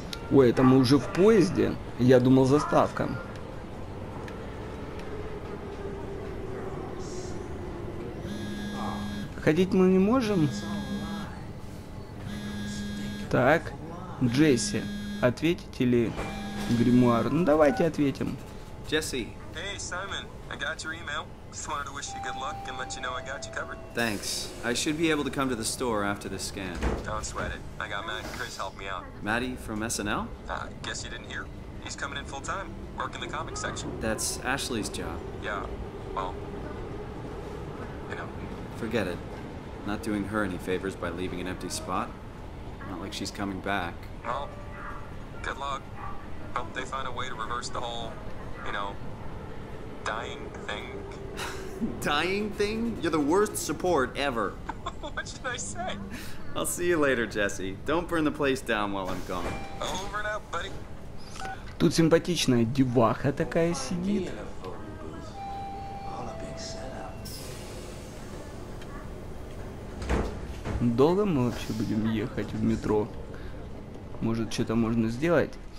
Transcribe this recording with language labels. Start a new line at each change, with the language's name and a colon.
Russian: Ой, это мы уже в поезде. Я думал, заставка. Ходить мы не можем. Так, Джесси, ответите ли гримуар? Ну давайте ответим. Джесси.
English: Hey, Simon, I got your email. Just wanted to wish you good luck and let you know I got you covered. Thanks. I should be able to come to the store after the scan. Don't sweat it. I got Matt and Chris help me out. Matty from SNL? Guess you didn't hear. He's coming in full time, working the comic section. That's Ashley's job. Yeah. Well. Forget it. Not doing her any favors by leaving an empty spot. Not like she's coming back. Well, good luck. Hope they find a way to reverse the whole, you know, dying thing. Dying thing? You're the worst support ever. What should I say? I'll see you later, Jesse. Don't burn the place down while I'm gone. Over and out, buddy.
Russian: Тут симпатичная деваха такая сидит. Долго мы вообще будем ехать в метро? Может, что-то можно сделать?